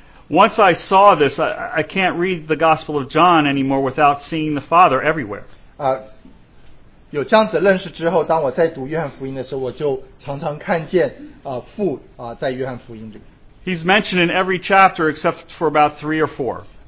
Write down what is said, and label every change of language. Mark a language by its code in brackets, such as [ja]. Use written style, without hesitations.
[en] Once I saw this, I can't read the Gospel of John anymore without seeing the Father everywhere. [zh] 有这样子认识之后, 当我在读约翰福音的时候, 我就常常看见, 父, 在约翰福音里。 [en] He's mentioned in every chapter except for about 3 or 4.